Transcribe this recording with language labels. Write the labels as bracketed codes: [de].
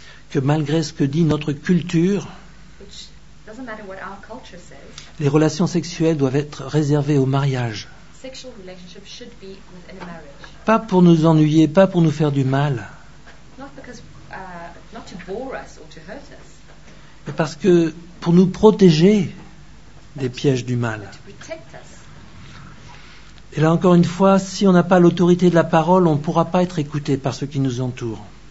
[fr] Que malgré ce que dit notre culture, [en] which doesn't matter what our culture says, [fr] les relations sexuelles doivent être réservées au mariage. [en] Sexual relationships should be within a marriage. [fr] Pas pour nous ennuyer, pas pour nous faire du mal. [en] Not because, not to bore us or to hurt us. [fr] Mais parce que pour nous protéger des pièges du mal. Et là encore une fois, si on n'a pas l'autorité de la parole, on ne pourra pas être écouté par ceux qui nous entourent.